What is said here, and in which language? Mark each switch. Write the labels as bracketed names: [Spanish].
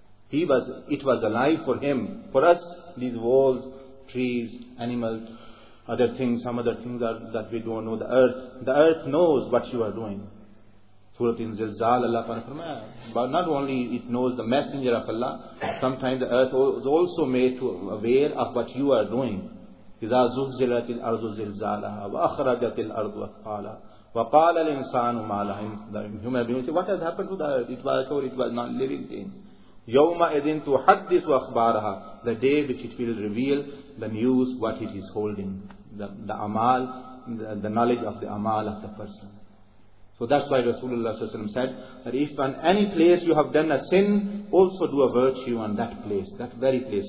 [English] It was alive for him. For us, these walls, trees, animals, other things, some other things are, that we don't know. The earth knows what you are doing. Surah Al-Zilzal, Allah Parakramaya. But not only it knows the messenger of Allah, sometimes the earth is also made to aware of what you are doing. [Arabic] إِذَا زُلْزِلَتِ الْأَرْضُ زِلْزَالَهَا وَأَخْرَجَتِ الْأَرْضُ أَثْقَالَهَا وَقَالَ الْإِنسَانُ مَا لَهَا مِنْ [English] human beings. What has happened to the earth? It was sure it was not living thing. [Arabic] يَوْمَ إِذِن تُحَدِّثُ أَخْبَارَهَا. [English] The day which it will reveal the news, what it is holding. The amal, the knowledge of the amal of the person. So that's why Rasulullah said that if on any place you have done a sin, also do a virtue on that place, that very place.